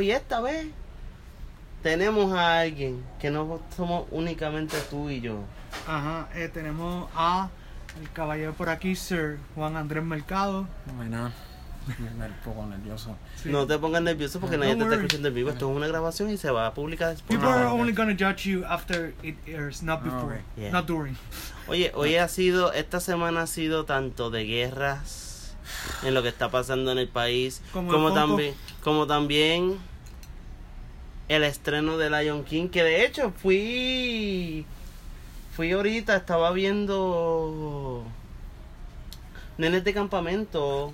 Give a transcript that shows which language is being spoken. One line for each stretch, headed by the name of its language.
Spanish: Y esta vez tenemos a alguien que no somos únicamente tú y yo. Ajá, tenemos a el caballero por aquí, Sir Juan Andrés Mercado. Bueno, me pongo nervioso. Sí. No te pongas nervioso porque nadie te está escuchando en vivo. Esto es una grabación y se va a publicar después.
English: People are only going to judge you after it airs, not before, not during.
Spanish: Oye, hoy ha sido, esta semana ha sido tanto de guerras en lo que está pasando en el país, como también el estreno de Lion King, que de hecho fui ahorita, estaba viendo Nenes de Campamento.